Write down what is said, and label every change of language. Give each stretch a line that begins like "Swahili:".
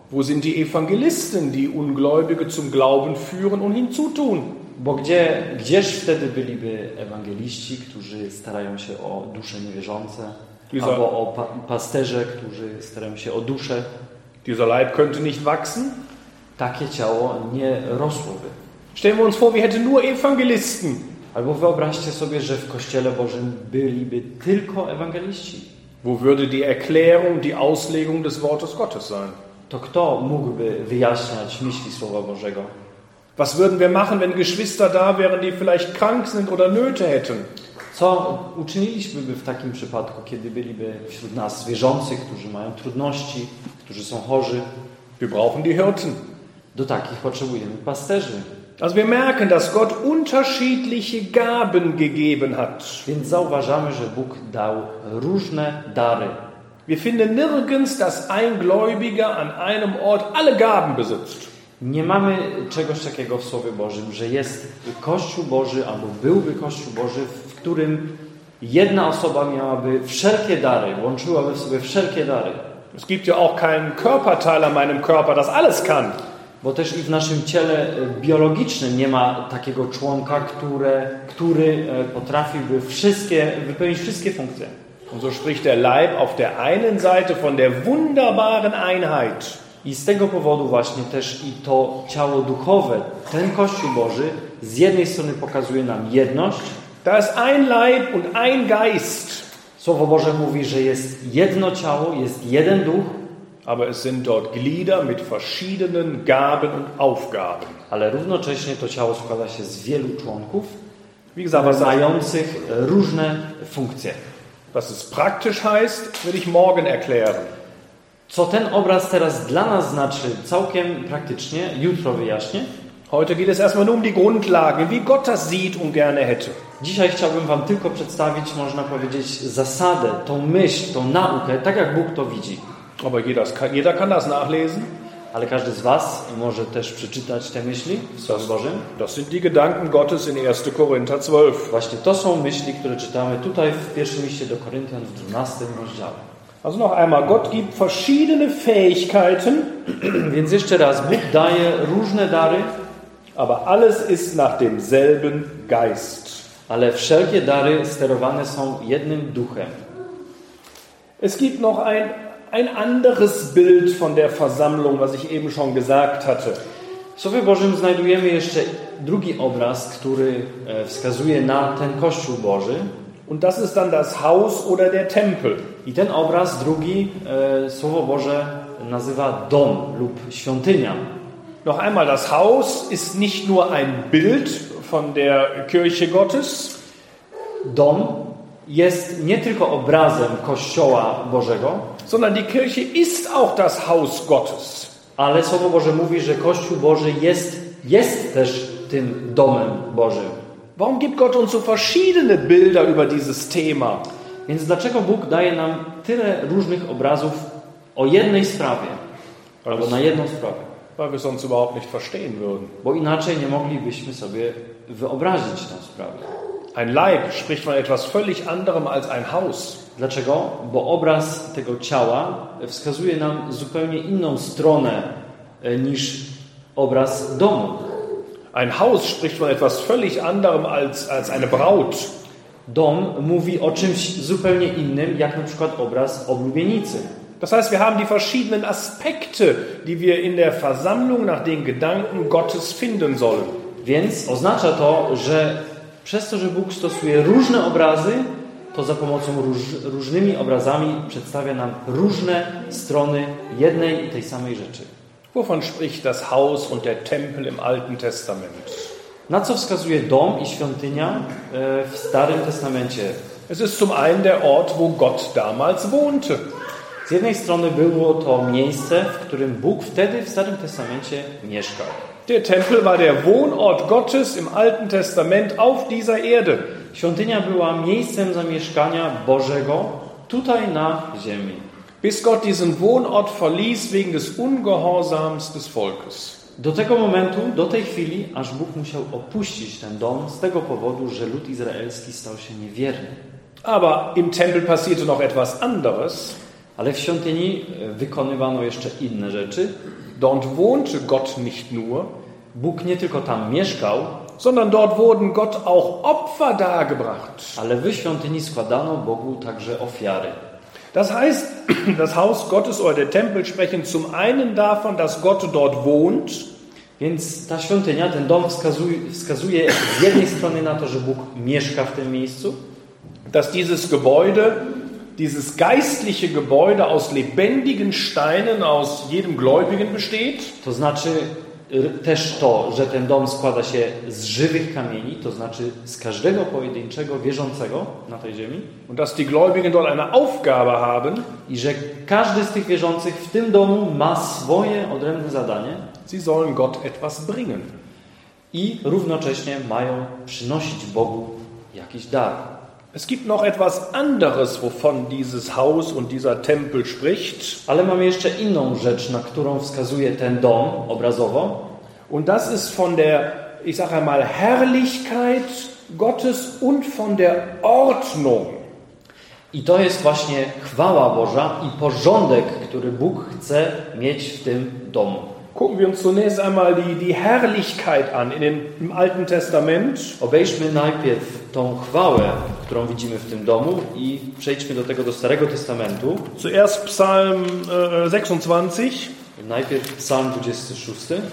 German: Wo sind die Evangelisten, die Ungläubige zum Glauben führen und hinzutun?
Polish: Bo gdzież wtedy byliby ewangeliści, którzy starają się o dusze niewierzące,
German: dieser,
Polish: albo o pasterze, którzy starają się o dusze?
German: Dieser Leib könnte nicht wachsen.
Polish: Takie ciało nie rosłoby.
German: Stellen wir uns vor, wir hätten nur Evangelisten.
Polish: Albo wyobraźcie sobie, że w Kościele Bożym byliby tylko ewangeliści.
German: Wo würde die Erklärung, die Auslegung des Wortes Gottes sein?
Polish: To kto mógłby wyjaśniać myśli Słowa Bożego?
German: Was würden wir machen, wenn Geschwister da wären, die vielleicht krank sind oder Nöte hätten?
Polish: Co uczynilibyśmy w takim przypadku, kiedy byliby wśród nas wierzący, którzy mają trudności, którzy są chorzy?
German: Wir brauchen die Hirten.
Polish: Do takich potrzebujemy pasterzy.
German: Also wir merken, dass Gott unterschiedliche Gaben gegeben hat.
Polish: Więc zauważamy, że Bóg dał różne dary.
German: Wir finden nirgends, dass ein Gläubiger an einem Ort alle Gaben besitzt.
Polish: Nie mamy czegoś takiego w Słowie Bożym, że jest Kościół Boży, albo byłby Kościół Boży, w którym jedna osoba miałaby wszelkie dary, łączyłaby w sobie wszelkie dary.
German: Es gibt ja auch keinen Körperteil an meinem Körper, das alles kann.
Polish: Bo też i w naszym ciele biologicznym nie ma takiego członka, który potrafiłby wypełnić wszystkie funkcje.
German: Und so spricht der Leib auf der einen Seite von der wunderbaren Einheit.
Polish: I z tego powodu właśnie też i to ciało duchowe, ten Kościół Boży, z jednej strony pokazuje nam jedność.
German: Da ist ein Leib und ein Geist.
Polish: Słowo Boże mówi, że jest jedno ciało, jest jeden duch.
German: Aber es sind dort Glieder mit verschiedenen Gaben und Aufgaben.
Polish: Ale równocześnie to ciało składa się z wielu członków, mających różne funkcje.
German: Was es praktisch heißt, will ich morgen erklären.
Polish: Co ten obraz teraz dla nas znaczy, całkiem praktycznie, jutro wyjaśnię.
German: Heute geht es erstmal nur um die Grundlagen, wie Gott das sieht und gerne hätte.
Polish: Dzisiaj chciałbym wam tylko przedstawić, można powiedzieć, zasadę, tą myśl, tą naukę, tak jak Bóg to widzi.
German: Aber jeder kann das nachlesen.
Polish: Ale każdy z was może też przeczytać te myśli w Słowie Bożym.
German: Das sind die Gedanken Gottes in 1. Korinther 12.
Polish: Właśnie to są myśli, które czytamy tutaj w pierwszym liście do Koryntian w 12 rozdziale.
German: Also noch einmal, Gott gibt verschiedene Fähigkeiten.
Polish: Więc jeszcze raz, Bóg daje różne dary.
German: Aber alles ist nach demselben Geist.
Polish: Ale wszelkie dary sterowane są jednym duchem.
German: Es gibt noch ein anderes Bild von der Versammlung, was ich eben schon gesagt hatte.
Polish: W Słowie Bożym znajdujemy jeszcze drugi obraz, który wskazuje na ten Kościół Boży.
German: Und das ist dann das Haus oder der Tempel.
Polish: I ten obraz drugi Słowo Boże nazywa dom lub świątynia.
German: Noch einmal, das Haus ist nicht nur ein Bild von der Kirche Gottes.
Polish: Dom jest nie tylko obrazem Kościoła Bożego,
German: sondern die Kirche ist auch das Haus Gottes.
Polish: Ale Słowo Boże mówi, że Kościół Boży jest też tym domem Bożym.
German: Warum gibt Gott uns so verschiedene Bilder über dieses Thema?
Polish: Więc dlaczego Bóg daje nam tyle różnych obrazów o jednej sprawie? Albo na jedną sprawę.
German: Weil wir sonst überhaupt nicht verstehen würden.
Polish: Bo inaczej nie moglibyśmy sobie wyobrazić tę sprawę.
German: Ein Leib spricht von etwas völlig anderem als ein Haus.
Polish: Dlaczego? Bo obraz tego ciała wskazuje nam zupełnie inną stronę niż obraz domu.
German: Ein Haus spricht von etwas völlig anderem als eine Braut.
Polish: Dom mówi o czymś zupełnie innym, jak na przykład obraz oblubienicy.
German: Das heißt, wir haben die verschiedenen Aspekte, die wir in der Versammlung nach den Gedanken Gottes finden sollen.
Polish: Więc oznacza to, że przez to, że Bóg stosuje różne obrazy, to za pomocą różnymi obrazami przedstawia nam różne strony jednej i tej samej rzeczy.
German: Wovon spricht das Haus und der Tempel im Alten Testament?
Polish: Na co wskazuje dom i świątynia w Starym Testamencie?
German: Es ist zum einen der Ort, wo Gott damals wohnte.
Polish: Z jednej strony było to miejsce, w którym Bóg wtedy w Starym Testamencie mieszkał.
German: Der Tempel war der Wohnort Gottes im Alten Testament auf dieser Erde.
Polish: Świątynia była miejscem zamieszkania Bożego tutaj na ziemi.
German: Bis Gott diesen Wohnort verließ wegen des Ungehorsams des Volkes.
Polish: Do tego momentu, do tej chwili, aż Bóg musiał opuścić ten dom z tego powodu, że lud izraelski stał się niewierny.
German: Aber im Tempel passierte noch etwas anderes.
Polish: Ale w świątyni wykonywano jeszcze inne rzeczy.
German: Dort wohnte Gott nicht nur.
Polish: Bóg nie tylko tam mieszkał,
German: sondern dort wurden Gott auch Opfer dargebracht.
Polish: Ale w świątyni składano Bogu także ofiary.
German: Das heißt, das Haus Gottes oder der Tempel sprechen zum einen davon, dass Gott dort wohnt.
Polish: Więc ta świątynia, ten dom wskazuje z jednej strony na to, że Bóg mieszka w tym miejscu.
German: Dass dieses Gebäude, dieses geistliche Gebäude aus lebendigen Steinen aus jedem Gläubigen besteht.
Polish: To znaczy też to, że ten dom składa się z żywych kamieni, to znaczy z każdego pojedynczego wierzącego na tej ziemi.
German: Und dass die Gläubigen dort eine Aufgabe haben.
Polish: I że każdy z tych wierzących w tym domu ma swoje odrębne zadanie.
German: Sie sollen Gott etwas bringen.
Polish: I równocześnie mają przynosić Bogu jakiś dar.
German: Es gibt noch etwas anderes, wovon dieses Haus und dieser Tempel spricht.
Polish: Ale mamy jeszcze inną rzecz, na którą wskazuje ten dom obrazowo.
German: Und das ist von der, ich sage einmal, Herrlichkeit Gottes und von der Ordnung.
Polish: I to jest właśnie chwała Boża i porządek, który Bóg chce mieć w tym domu.
German: Gucken wir uns zunächst einmal die Herrlichkeit an im Alten Testament.
Polish: Obejrzmy najpierw tą chwałę, którą widzimy w tym domu i przejdźmy do tego do Starego Testamentu.
German: Zuerst Psalm 26.
Polish: Najpierw Psalm 26.